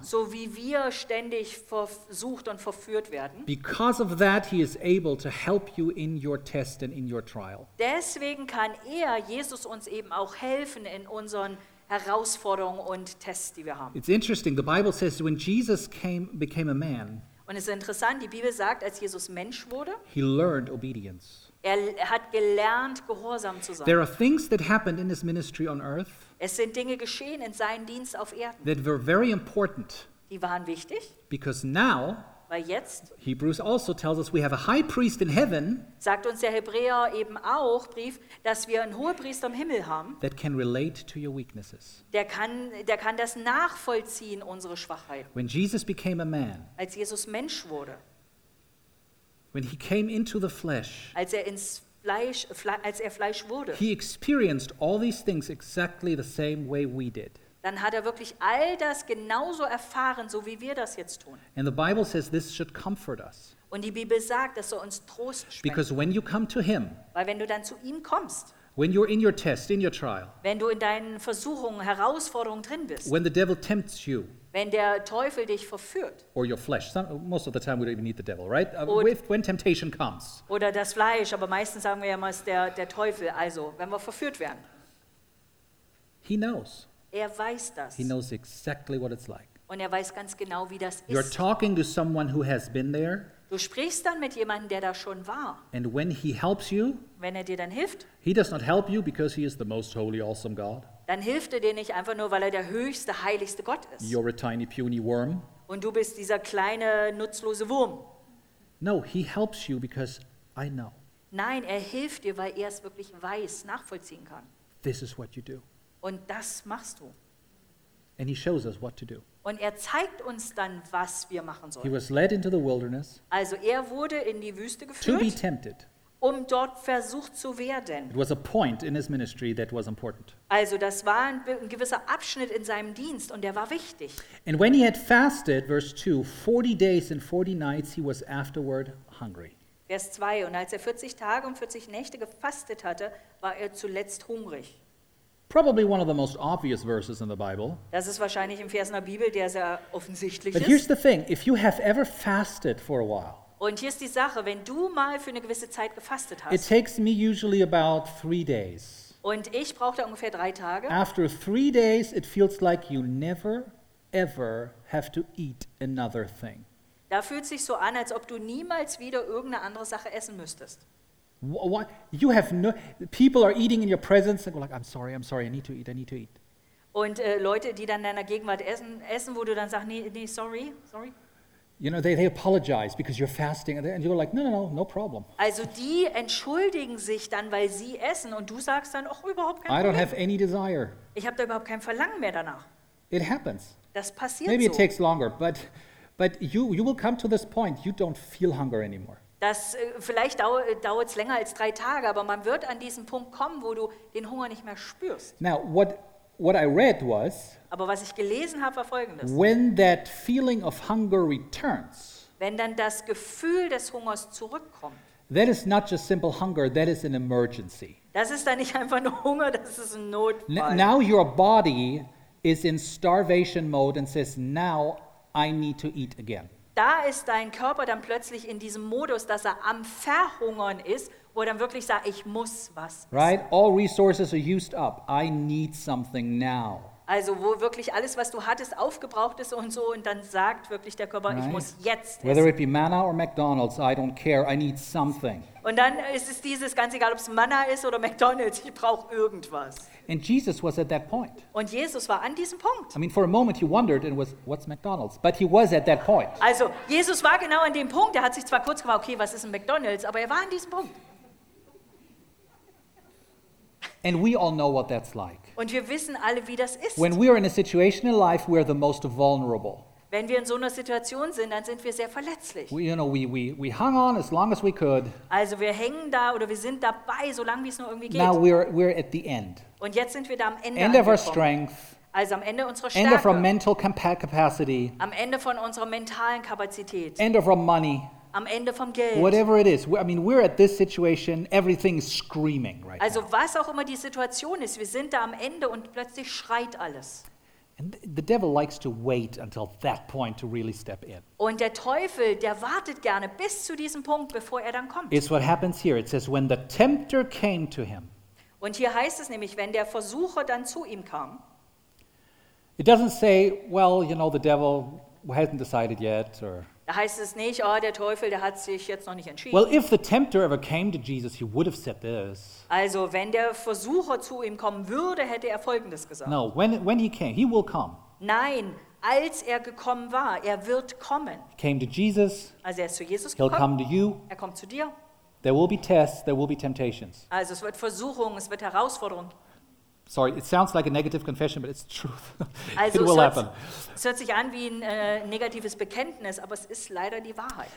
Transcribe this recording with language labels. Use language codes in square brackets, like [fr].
[de] so wie wir ständig versucht und verführt werden, [en] because of that he is able to help you in your test and in your trial. [de] Deswegen kann er, Jesus, uns eben auch helfen in unseren Herausforderungen und Tests, die wir haben. [en] It's interesting, the Bible says when Jesus became a man, [de] und es ist interessant, die Bibel sagt, als Jesus Mensch wurde, [en] he learned obedience. [de] Er hat gelernt, gehorsam zu sein. [en] There are things that happened in his ministry on earth, [de] es sind Dinge geschehen in seinem Dienst auf Erden, [en] that were very important, [de] die waren wichtig, [en] because now, [de] weil jetzt, [en] Hebrews also tells us we have a high priest in heaven, [de] sagt uns der Hebräer eben auch, Brief, dass wir einen Hohepriester im Himmel haben, [en] that can relate to your weaknesses. [de] Der kann das nachvollziehen, unsere Schwachheit. [en] When Jesus became a man, [de] als Jesus Mensch wurde, [en] when he came into the flesh, [de] als er Fleisch wurde, [en] he experienced all these things exactly the same way we did. [de] Dann hat er wirklich all das genauso erfahren, so wie wir das jetzt tun. [en] And the Bible says this should comfort us. [de] Und die Bibel sagt, dass er uns Trost spendet. [en] Because when you come to him, [de] weil wenn du dann zu ihm kommst, [en] when you're in your test, in your trial, [de] wenn du in deinen Versuchungen, Herausforderungen drin bist, [en] when the devil tempts you, [de] wenn der Teufel dich verführt, [en] or your flesh, most of the time we don't even need the devil, right? When temptation comes, [de] oder das Fleisch, aber meistens sagen wir ja mal, der Teufel, also wenn wir verführt werden. [en] He knows. [de] Er weiß das. [en] He knows exactly what it's like. [de] Und er weiß ganz genau, wie das [en] You're [de] ist. [en] Talking to someone who has been there. [de] Du sprichst dann mit jemandem, der da schon war. [en] And when he helps you, [de] wenn er dir dann hilft, [en] he does not help you because he is the most holy, awesome God. [de] Dann hilft er dir nicht einfach nur, weil er der höchste, heiligste Gott ist. [en] You're a tiny, puny worm. [de] Und du bist dieser kleine, nutzlose Wurm. [en] No, he helps you because I know. [de] Nein, er hilft dir, weil er es wirklich weiß, nachvollziehen kann. [en] This is what you do. [de] Und das machst du. [en] And he shows us what to do. [de] Und er zeigt uns dann, was wir machen sollen. [en] He was led into the wilderness. [de] Also er wurde in die Wüste geführt. [en] To be tempted. [de] Um dort versucht zu werden. [en] It was a point in his ministry that was important. [de] Also das war ein gewisser Abschnitt in seinem Dienst und der war wichtig. [en] And when he had fasted, verse 2, 40 days and 40 nights, he was afterward hungry. [de] Vers 2, und als er 40 Tage und 40 Nächte gefastet hatte, war er zuletzt hungrig. [en] Probably one of the most obvious verses in the Bible. [de] Das ist wahrscheinlich im Vers in der Bibel, der sehr offensichtlich ist. [en] But here's the thing, if you have ever fasted for a while. [de] Und hier ist die Sache, wenn du mal für eine gewisse Zeit gefastet hast. [en] It takes me usually about 3 days. [de] Und ich brauche da ungefähr 3 Tage. [en] After 3 days, it feels like you never ever have to eat another thing. [de] Da fühlt sich so an, als ob du niemals wieder irgendeine andere Sache essen müsstest. [en] What? You have no. People are eating in your presence and go like, I'm sorry, I need to eat. [de] Und Leute, die dann in deiner Gegenwart essen, wo du dann sagst, nee, sorry. [en] You know, they apologize because you're fasting and you're like, no problem. [de] Also die entschuldigen sich dann, weil sie essen und du sagst dann, ach, überhaupt kein [en] Problem. I don't have any desire. [de] Ich habe da überhaupt kein Verlangen mehr danach. [en] It happens. [de] Das passiert [en] Maybe [de] so. [en] It takes longer, but you will come to this point, you don't feel hunger anymore. [de] Das vielleicht dauert es länger als 3 Tage, aber man wird an diesen Punkt kommen, wo du den Hunger nicht mehr spürst. [en] Now, what I read was, [de] aber was ich gelesen habe, war Folgendes. [en] When that feeling of hunger returns, [de] wenn dann das Gefühl des Hungers zurückkommt, [en] that is not just simple hunger, that is an emergency. [de] Das ist dann nicht einfach nur Hunger, das ist ein Notfall. [en] Now your body is in starvation mode and says, now I need to eat again. [de] Da ist dein Körper dann plötzlich in diesem Modus, dass er am Verhungern ist, wo er dann wirklich sagt, ich muss was. [en] Right? All resources are used up. I need something now. [de] Also wo wirklich alles, was du hattest, aufgebraucht ist und so, und dann sagt wirklich der Körper, [en] right? [de] Ich muss jetzt essen. [en] Whether it be manna or McDonald's, I don't care. I need something. [de] Und dann ist es dieses, ganz egal, ob es Manna ist oder McDonald's, ich brauche irgendwas. [en] And Jesus was at that point. [de] Und Jesus war an diesem Punkt. [en] I mean, for a moment he wondered, and was, what's McDonald's? But he was at that point. [de] Also, Jesus war genau an dem Punkt. Er hat sich zwar kurz gefragt, okay, was ist ein McDonald's? Aber er war an diesem Punkt. [en] And we all know what that's like. [de] Und wir wissen alle, wie das ist. [en] When we are in a situation in life, we are the most vulnerable. [de] Wenn wir in so einer Situation sind, dann sind wir sehr verletzlich. [en] We hung on as long as we could. [de] Also wir hängen da oder wir sind dabei, so lange wie es nur irgendwie geht. [en] Now we're at the end. [de] Und jetzt sind wir da am Ende. [en] End of our strength. [de] Also am Ende unserer Stärke. [en] End of our mental capacity. [de] Am Ende von unserer mentalen Kapazität. [en] End of our money. [de] am Ende vom Geld. [en] Whatever it is, I mean, we're at this situation, everything is screaming right [de] also, [en] now. [de] Also was auch immer die Situation ist, wir sind da am Ende und plötzlich schreit alles. [en] And the devil likes to wait until that point to really step in. [de] Und der Teufel, der wartet gerne bis zu diesem Punkt, bevor dann kommt. [en] It's what happens here. It says, when the tempter came to him. [de] Und hier heißt es nämlich, wenn der Versucher dann zu ihm kam. [en] It doesn't say, well, you know, the devil hasn't decided yet, or... [de] Da heißt es nicht, oh, der Teufel, der hat sich jetzt noch nicht entschieden. [en] Well, if the tempter ever came to Jesus, he would have said this. [de] Also, wenn der Versucher zu ihm kommen würde, hätte Folgendes gesagt. [en] No, when he came, he will come. [de] Nein, als gekommen war, wird kommen. [en] He came to Jesus. [de] Also, zu Jesus [en] he'll [de] gekommen. [en] Come to you. [de] Kommt zu dir. [en] There will be tests, there will be temptations. [de] Also, es wird Versuchungen, es wird Herausforderungen. [en] Sorry, it sounds like a negative confession, but it's the truth. [de] Also [en] it will happen. [de] Es hört sich an wie ein negatives Bekenntnis, aber es ist leider die Wahrheit.